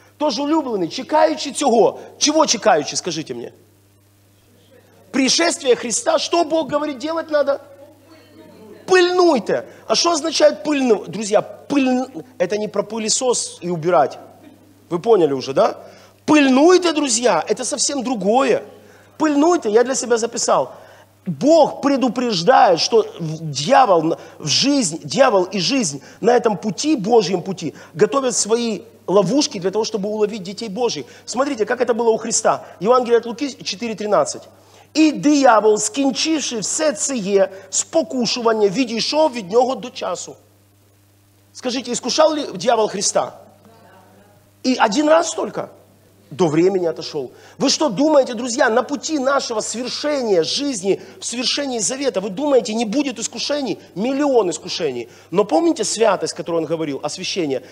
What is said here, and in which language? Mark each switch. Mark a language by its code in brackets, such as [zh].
[uk] Тоже улюбленный, чекаючи цього. [ru] Чего чекаючи, скажите мне? Пришествие Христа, что Бог говорит, делать надо? Пыльнуйте. А что означает пыльну? Друзья, пыль... это не про пылесос и убирать. Вы поняли уже, да? Пыльнуйте, друзья, это совсем другое. Пыльнуйте, я для себя записал. Бог предупреждает, что дьявол, в жизнь, дьявол и жизнь на этом пути, Божьем пути, готовят свои ловушки для того, чтобы уловить детей Божьих. Смотрите, как это было у Христа. Евангелие от Луки 4:13. [uk] И дьявол, скінчивши все це спокушування, відійшов від нього до часу. [ru] Скажите, искушал ли дьявол Христа? И один раз только? До времени отошел. Вы что думаете, друзья, на пути нашего свершения жизни, в свершении завета, вы думаете, не будет искушений? Миллион искушений. Но помните святость, которую он говорил, освящение?